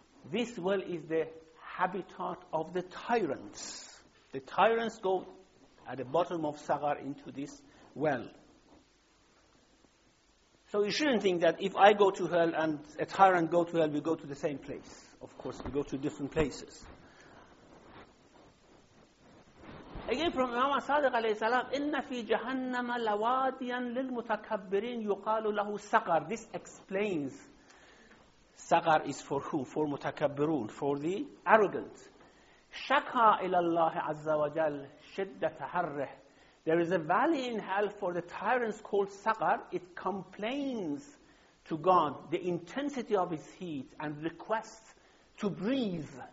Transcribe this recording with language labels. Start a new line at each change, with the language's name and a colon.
English: This well is the habitat of the tyrants. The tyrants go at the bottom of Saqar into this well. So you shouldn't think that if I go to hell and a tyrant go to hell, we go to the same place. Of course, we go to different places. Again, from Imam Sadiq alayhi salam,
Arabic: إِنَّ فِي جَهَنَّمَ لَوَادِيًا لِلْمُتَكَبِّرِينَ يُقَالُ لَهُ سَقَرٍ.
English: This explains Saqar is for who? For mutakabbirun, for the arrogant.
Arabic: شَكَى إِلَى اللَّهِ عَزَّ وَجَلْ شِدَّةَ تَحَرِّهِ.
English: There is a valley in hell for the tyrants called Saqar. It complains to God the intensity of its heat and requests to breathe.